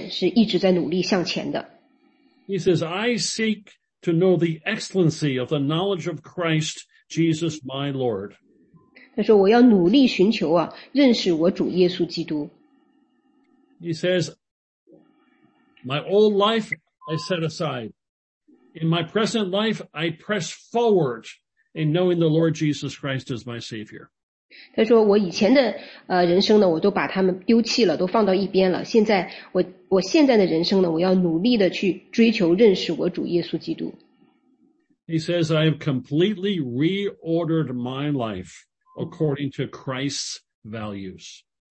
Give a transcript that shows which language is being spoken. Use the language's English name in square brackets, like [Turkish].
[Chinese] 所以他是为了追求这个新的看见,是一直在努力向前的。 [English] He says, I seek to know the excellency of the knowledge of Christ Jesus my Lord. [Chinese] 他说我要努力寻求认识我主耶稣基督。 [English] He says, my old life I set aside. In my present life, I press forward in knowing the Lord Jesus Christ as my Savior. [Chinese] 他说我以前的人生呢,我都把他们丢弃了,都放到一边了。现在我现在的人生呢,我要努力的去追求认识我主耶稣基督。 [English] He says, I have completely reordered my life according to Christ's values.